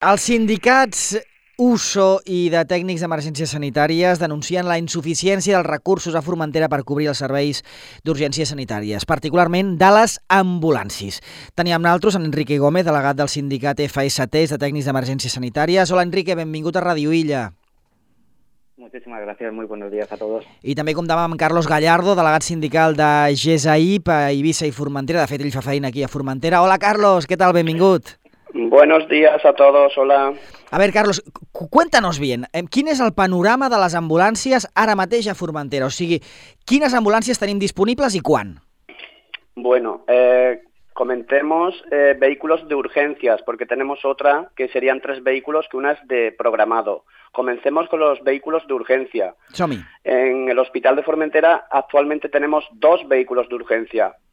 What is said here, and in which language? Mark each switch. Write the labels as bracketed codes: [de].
[ca] Els sindicats USO i de tècnics d'emergències sanitàries denuncien la insuficiència dels recursos a Formentera per cobrir els serveis d'urgències sanitàries, particularment de les ambulàncies. Teníem amb nosaltres en Enrique Gómez, delegat del sindicat FST de tècnics d'emergències sanitàries. Hola, Enrique, benvingut a Radio Illa. [es] Muchísimas gracias, muy buenos días a todos. [ca] I també comptàvem amb Carlos Gallardo, delegat sindical de GESAIP a Eivissa i Formentera. De fet, ell fa feina aquí a Formentera. Hola, Carlos, què tal? Benvingut. [es] Buenos días a todos, hola. A ver, [ca] Carlos, [es] cuéntanos bien, [ca] ¿quin és el panorama de les ambulàncies ara mateix a Formentera? O sigui, ¿quines ambulàncies tenim disponibles i quan? [es] Bueno, comentemos vehículos de urgencias, porque tenemos otra que serían tres vehículos, que una es de programado. Comencemos con los vehículos de urgencia. Somi. En el hospital de Formentera actualmente tenemos dos vehículos de urgencia.